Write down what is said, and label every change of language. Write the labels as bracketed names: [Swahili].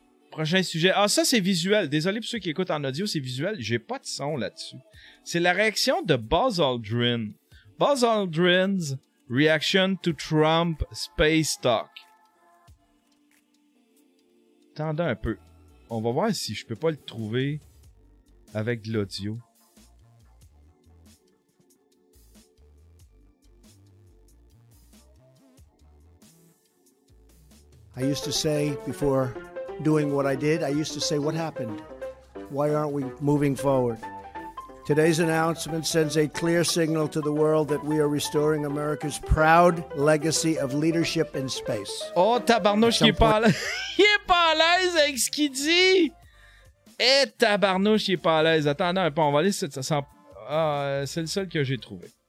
[French] Prochain sujet. Ah, ça, c'est visuel. Désolé pour ceux qui écoutent en audio, c'est visuel. J'ai pas de son là-dessus. C'est la réaction de Buzz Aldrin. [English] Buzz Aldrin's reaction to Trump space talk. [French] Attendez un peu. On va voir si je peux pas le trouver avec de l'audio. [English] I used to say before... doing what I did, I used to say, what happened? Why aren't we moving forward? Today's announcement sends a clear signal to the world that we are restoring America's proud legacy of leadership in space. [French] Oh, tabarnouche, il est pas à l'aise avec ce qu'il dit! Eh, tabarnouche, il est pas à l'aise. Attendez un peu, on va aller... C'est le seul que j'ai trouvé.